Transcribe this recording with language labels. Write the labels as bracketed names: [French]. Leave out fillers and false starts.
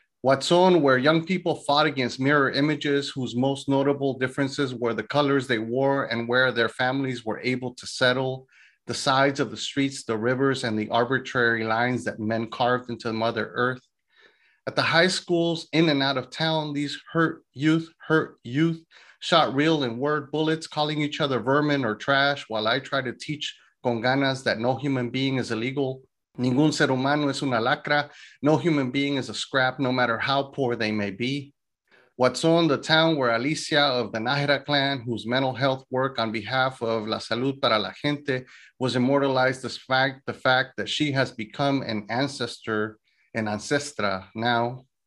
[English] Watson, where young people fought against mirror images whose most notable differences were the colors they wore and where their families were able to settle, the sides of the streets, the rivers, and the arbitrary lines that men carved into Mother Earth. At the high schools in and out of town, these hurt youth, shot real and word bullets, calling each other vermin or trash while I try to teach [Spanish] con ganas [English] that no human being is illegal. [Spanish] Ningún ser humano es una lacra. [English] No human being is a scrap, no matter how poor they may be. Watson, the town where Alicia of the Najera clan, whose mental health work on behalf of La Salud para la Gente was immortalized despite the fact that she has become an ancestra now.